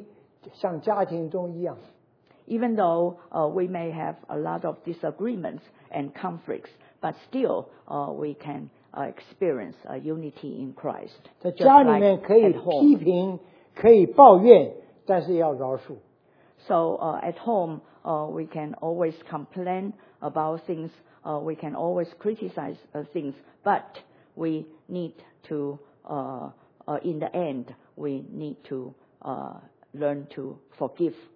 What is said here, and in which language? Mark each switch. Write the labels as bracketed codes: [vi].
[zh] 教会中既然即使意见不一，可以合一，像家庭中一样。 [en] Even though we may have a lot of disagreements and conflicts, but still we can experience a unity in Christ. [zh] 在家里面可以批评，可以抱怨，但是要饶恕。 [en] So at home, we can always complain about things. We can always criticize things, but we need to, in the end, we need to learn to forgive